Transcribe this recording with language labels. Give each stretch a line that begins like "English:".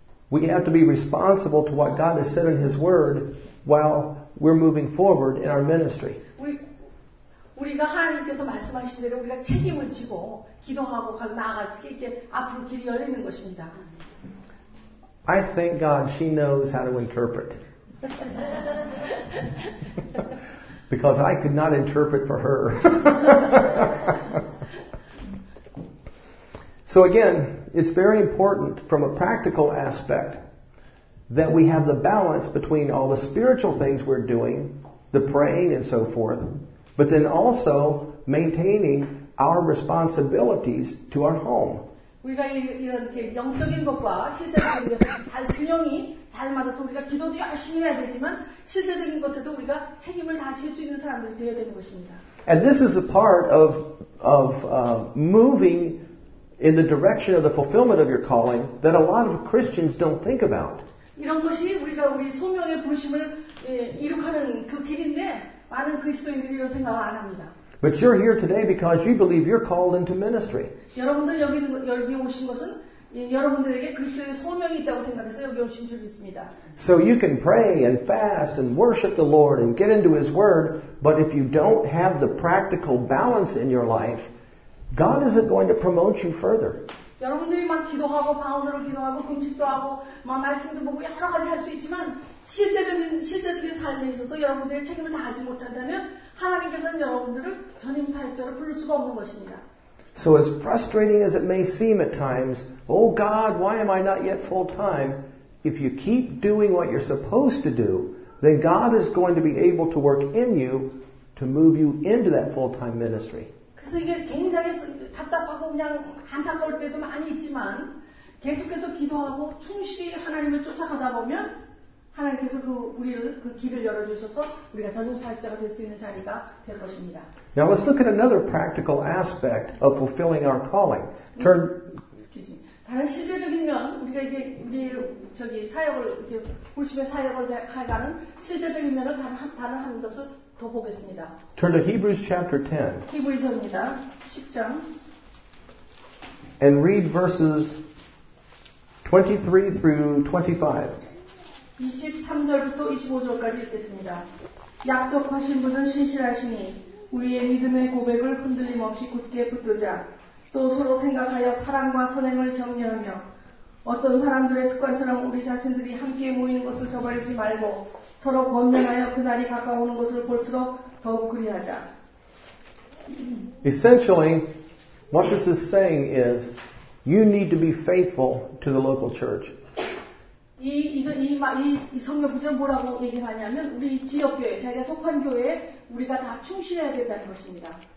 English: We have to be responsible to what God has said in His Word while we're moving forward in our ministry.
Korean: 우리가 하나님께서 말씀하신 대로 우리가 책임을 지고 기도하고 나아갈 때 이렇게 앞으로 길이 열리는 것입니다.
English: I thank God she knows how to interpret. Because I could not interpret for her. So again, it's very important from a practical aspect that we have the balance between all the spiritual things we're doing, the praying and so forth, but then also maintaining our responsibilities to our home.
Korean: 우리가 이렇게 영적인 것과 실제적인 것을 잘 균형이 잘 맞아서 우리가 기도도 열심히 해야 되지만 실제적인 것에도 우리가 책임을 다 질 수 있는 사람들이 되어야 되는 것입니다.
English: And this is a part of moving in the direction of the fulfillment of your calling that a lot of Christians don't think about.
Korean: 이런 것이 우리가 우리 소명의 부르심을 이룩하는 그 길인데 많은 그리스도인들이 이런 생각을 안 합니다.
English: But you're here today because you believe you're called into ministry.
Korean: 여러분들 여기 오신 것은 여러분들에게 그리스도의 소명이 있다고 생각해서 여기 오신 줄 믿습니다.
English: So you can pray and fast and worship the Lord and get into His Word, but if you don't have the practical balance in your life, God isn't going to promote you further.
Korean: 여러분들이 막 기도하고 방언으로 기도하고 금식도 하고 막 말씀도 보고 여러 가지 할 수 있지만 실제적인 삶에 있어서 여러분들의 책임을 다하지 못한다면 하나님께서는 여러분들을 전임 사역자로 부를 수가 없는 것입니다.
English: So as frustrating as it may seem at times, oh God, why am I not yet full time? If you keep doing what you're supposed to do, then God is going to be able to work in you to move you into that full time ministry.
Korean: 그래서 이게 굉장히 답답하고 그냥 안타까울 때도 많이 있지만 계속해서 기도하고 충실히 하나님을 쫓아가다 보면 하나님께서 그 길을 열어주셔서 우리가 전임 사역자가 될 수 있는 자리가 될 것입니다.
English: Now let's look at another practical aspect of fulfilling our calling. Excuse me.
Korean: 다른 실제적인 면 우리가 이게 우리 저기 사역을 이렇게 불심의 사역을 해가는 실제적인 면을 다른 한 것을
English: Turn to Hebrews chapter 10.
Korean: 히브리서입니다. 10장.
English: And read verses 23 through 25.
Korean: 23절부터 25절까지 읽겠습니다. 약속하신 분은 신실하시니 우리의 믿음의 고백을 흔들림 없이 굳게 붙들자. 또 서로 생각하여 사랑과 선행을 격려하며 어떤 사람들의 습관처럼 우리 자신들이 함께 모이는 것을 저버리지 말고 서로 권면하여 그날이 가까우는 것을 볼수록 더욱 그리하자.
English: Essentially, what this is saying is, you need to be faithful to the local church.
Korean: 이 성경 구절 뭐라고 얘기하냐면 우리 지역 교회, 자기가 속한 교회에 우리가 다 충실해야 된다는 것입니다.